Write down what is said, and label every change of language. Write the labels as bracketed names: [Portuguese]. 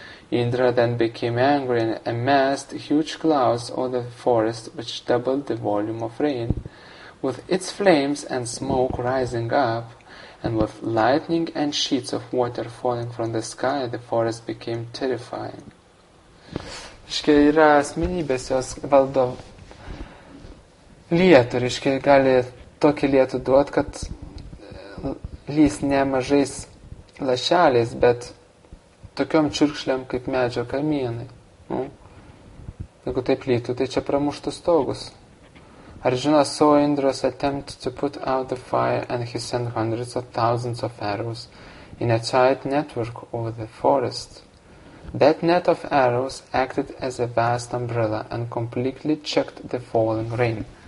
[English] Indra then became angry and amassed huge clouds over the forest, which doubled the volume of rain. With its flames and smoke rising up, and with lightning and sheets of water falling from the sky, the forest became terrifying. [Lithuanian] Reiškia, yra asmenybės, jos valdo lietų, reiškia, gali tokį lietų duot, kad lys nemažais lašeliais, bet tokiom čiurkšliam kaip medžio kamienai. Nu, jeigu taip lytų, tai čia pramuštų stogus. [English] Ar žino, saw Indra's attempt to put out the fire and he sent hundreds of thousands of arrows in a tight network over the forest. That net of arrows acted as a vast umbrella and completely checked the falling rain.